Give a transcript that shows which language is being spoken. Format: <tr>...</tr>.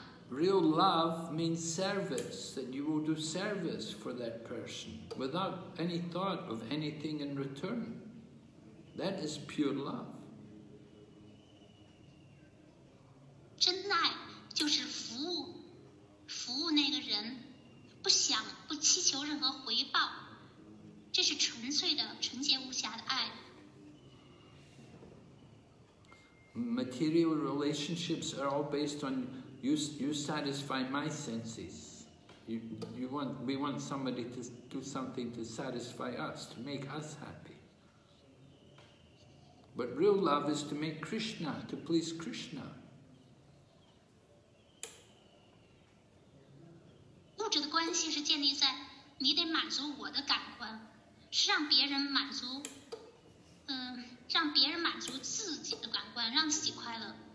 <en>Real love means service, that you will do service for that person without any thought of anything in return. That is pure love.</en> <zh>真爱就是服务那个人，不想不祈求任何回报，这是纯粹的纯洁无瑕的爱。</zh> <en>Material relationships are all based on you satisfy my senses. We want somebody to do something to satisfy us, to make us happy. But real love is to make Krishna, to please Krishna.</en> <zh>物质的关系是建立在你得满足我的感官，是让别人满足，让别人满足自己的感官，让自己快乐。</zh>